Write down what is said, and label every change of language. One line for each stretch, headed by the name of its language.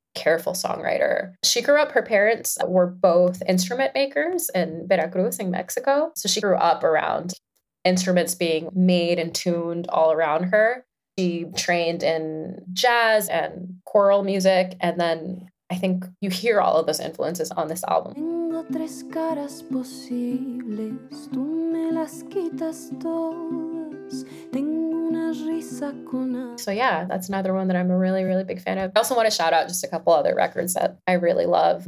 English: careful songwriter. She grew up, her parents were both instrument makers in Veracruz in Mexico. So she grew up around instruments being made and tuned all around her. She trained in jazz and choral music. And then I think you hear all of those influences on this album.
Spanish: Tengo tres caras posibles, tú me las quitas todas. Tengo una risa con a...
English: So yeah, that's another one that I'm a really, really big fan of. I also want to shout out just a couple other records that I really love.